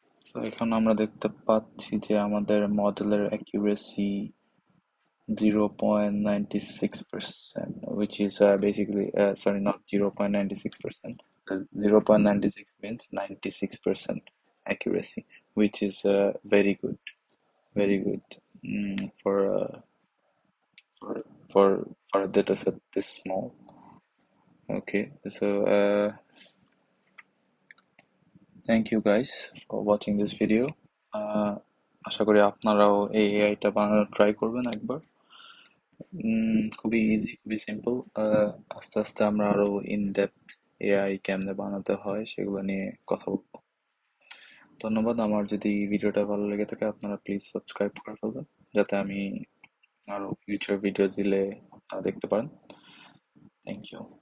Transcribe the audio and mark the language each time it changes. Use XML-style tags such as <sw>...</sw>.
<bn>তো এখন আমরা দেখতে পাচ্ছি যে আমাদের মডেলের accuracy</bn> <en>0.96%, which is basically sorry not 0.96%, 0.96 means 96% accuracy, which is very good, very good for for for data set this small. Okay, so thank you guys for watching this video.</en> <bn>আশা করি আপনারাও এই এআইটা বানানো ট্রাই করবেন একবার। খুবই easy, খুবই simple. আস্তে আস্তে আমরা আরো ইন ডেপথ এআই কেমনে বানাতে হয় সেগুলো নিয়ে কথা বলবো। ধন্যবাদ। আমার যদি ভিডিওটা ভালো লেগে থাকে আপনারা প্লিজ সাবস্ক্রাইব করে ফেলবেন, যাতে আমি আরো ফিউচার ভিডিও দিলে আপনারা দেখতে পারেন। Thank you.</bn>